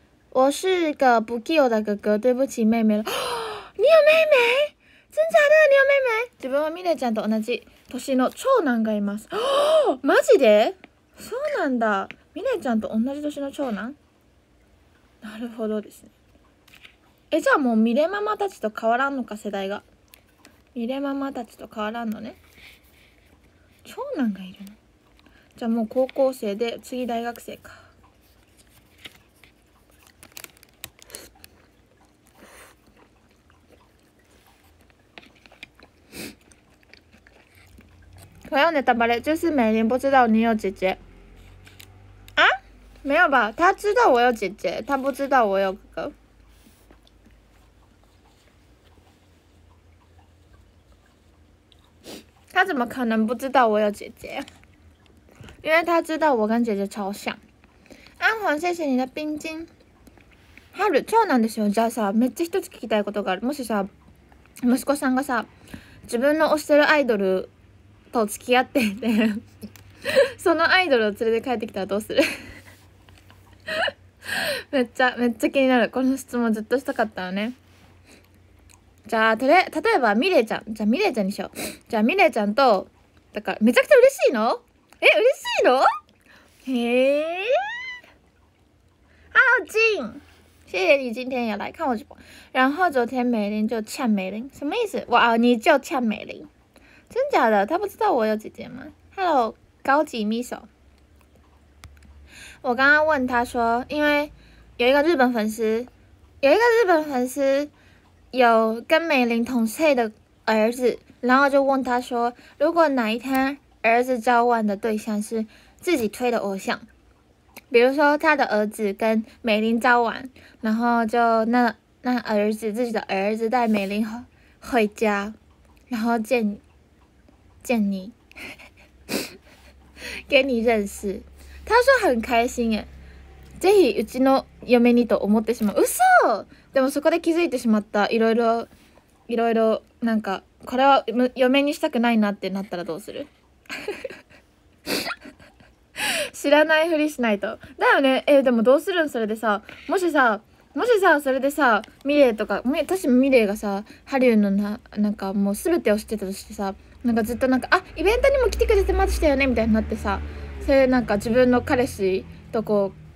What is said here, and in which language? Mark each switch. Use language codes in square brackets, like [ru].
[zh] 我是个不 kill 的哥哥，对不起妹妹了。你有妹妹？真假的，你有妹妹？ [ja] 自分はミレちゃんと同じ年の長男がいます。哦，マジで？そうなんだ。ミレちゃんと同じ年の長男？なるほどですね。え、じゃあもうミレママたちと変わらんのか、世代が。ミレママたちと変わらんのね。長男がいるの。じゃあもう高校生で次大学生か。 [zh] 不要ネタバレ，就是美玲不知道你有姐姐。啊？没有吧？她知道我有姐姐，她不知道我有哥哥。她怎么可能不知道我有姐姐？因为她知道我跟姐姐超像。安皇，谢谢你的冰晶。 [ja] 春、長男ですよ。じゃあさ、めっちゃ一つ聞きたいことがある。もしさ、息子さんがさ、自分の推してるアイドルと付き合ってて、そのアイドルを連れて帰ってきたらどうするめっちゃめっちゃ気になる、この質問ずっとしたかったのね。じゃあ例えばミレイちゃん、じゃあミレイちゃんにしよう。じゃあミレイちゃんと、だからめちゃくちゃ嬉しいの、え嬉しいの、へえ。 [zh] あジン、谢谢你今天也来看我直播。然后昨天美玲就呛美玲，什么意思？哇，你就呛美玲，真假的？他不知道我有姐姐吗 ？Hello， 高级秘书。我刚刚问他说，因为有一个日本粉丝，有一个日本粉丝有跟美玲同岁的儿子，然后就问他说，如果哪一天儿子交往的对象是自己推的偶像？比如说他的儿子跟美玲交往，然后就那儿子自己的儿子带美玲回家，然后见你给你认识，他说很开心耶。 [ja] ぜひうちの嫁にと思ってしまう。嘘。でもそこで気づいてしまった。いろいろいろいろなんかこれは嫁にしたくないなってなったらどうする？知らないふりしないとだよね。えでもどうするん、それでさ、もしさそれでさ、ミレイとか、私ミレイがさ、ハリウのなんかもう全てを知ってたとしてさ、なんかずっとなんか、あイベントにも来てくれてましたよねみたいになってさ、それなんか自分の彼氏とこ